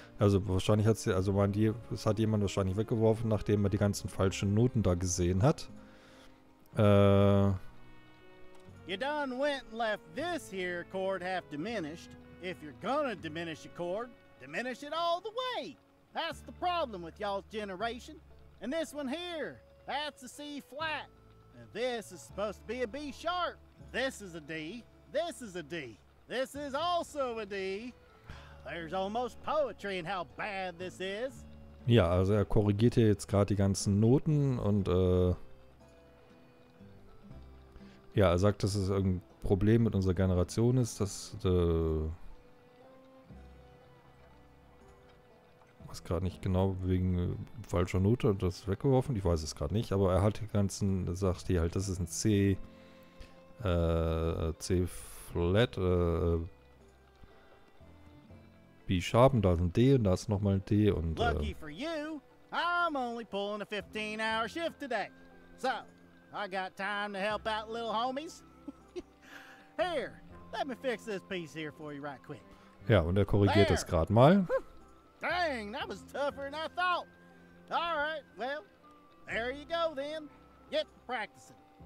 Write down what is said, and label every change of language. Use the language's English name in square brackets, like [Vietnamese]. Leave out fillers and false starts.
[German] Also wahrscheinlich hat sie, also meint, es hat jemand wahrscheinlich weggeworfen, nachdem er die ganzen falschen Noten da gesehen hat. [English] You done went and left this here chord half diminished. If you're gonna diminish a chord, diminish it all the way. That's the problem with y'all's generation. And this one here, that's a C flat. Now this is supposed to be a B sharp. This is a D. This is a D. This is also a D. There's almost poetry in how bad this is. [German] Ja, also er korrigiert hier jetzt gerade die ganzen Noten und Ja, er sagt, dass es ein Problem mit unserer Generation ist, dass... Was gerade nicht genau, wegen falscher Note das weggeworfen, ich weiß es gerade nicht, aber er hat die ganzen, er sagt hier halt, das ist ein C, C-Flat, B-Sharp, da ist ein D und da ist nochmal ein D und, [English] Lucky for you, I'm only pulling a 15-hour shift today. So, I got time to help out little homies. Here, let me fix this piece here for you right quick. [German] Ja, und er korrigiert es gerade mal. [English] Dang, that was tougher than I thought. All right, well, there you go then. Get to practicing.